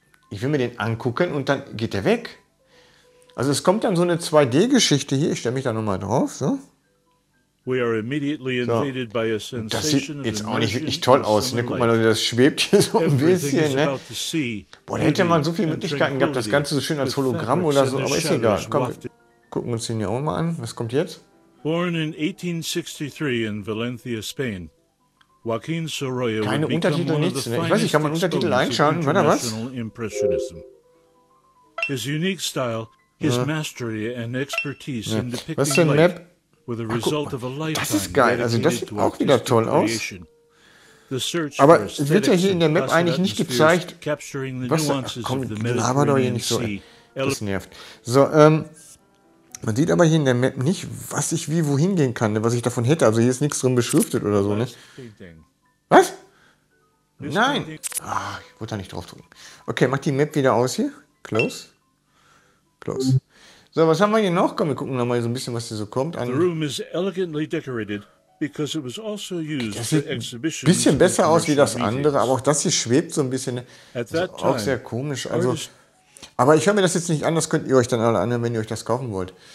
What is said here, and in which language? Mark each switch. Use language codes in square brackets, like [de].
[de] Ich will mir den angucken und dann geht der weg. Also es kommt dann so eine 2D-Geschichte hier. Ich stelle mich da nochmal drauf. So. [en] We are immediately invaded by a sensation. [de] Das sieht jetzt auch nicht wirklich toll aus. Ne? Guck mal, das schwebt hier so ein bisschen. Ne? Boah, da hätte man so viele Möglichkeiten gehabt, das Ganze so schön als Hologramm oder so, aber ist egal. Komm, gucken wir uns den hier auch mal an. Was kommt jetzt? [en] Born in 1863 in Valencia, Spain, Joaquin Sorolla would become one of the finest exponents of international impressionism. His unique style, his mastery and expertise in depicting light were the result of a lifetime dedicated to artistic creation. [de] Aber es wird ja hier in der Map eigentlich nicht gezeigt, was da kommt. Laber doch hier nicht so, das nervt. So, man sieht aber hier in der Map nicht, was ich wie wohin gehen kann, was ich davon hätte. Also hier ist nichts drin beschriftet oder so, ne? Was? Nein! Ah, ich wollte da nicht drauf drücken. Okay, mach die Map wieder aus hier. Close. Close. So, was haben wir hier noch? Komm, wir gucken nochmal so ein bisschen, was hier so kommt. [en] The room is elegantly decorated because it was also used for exhibitions. [de] Bisschen besser aus wie das andere, aber auch das hier schwebt so ein bisschen. Ne? Das ist auch sehr komisch. Also, aber ich höre mir das jetzt nicht an, das könnt ihr euch dann alle anhören, wenn ihr euch das kaufen wollt.